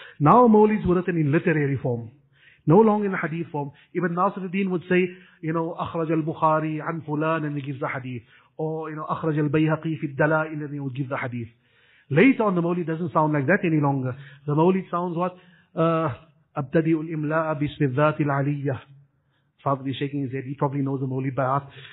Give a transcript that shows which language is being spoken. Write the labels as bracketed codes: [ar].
[en] Now mawlids were written in literary form, no longer in hadith form. Ibn Nasir al-Din would say, you know, [ar] أخرج البخاري عن فلان [en] and he gives the hadith. Or, you know, [ar] أخرج البيهقي في الدلائل [en] and he would give the hadith. Later on, the mawlid doesn't sound like that any longer. The mawlid sounds what? [ar] أبتدي الإملاء باسم الذات العلية. [en] Father is shaking his head. He probably knows the mawlid by heart.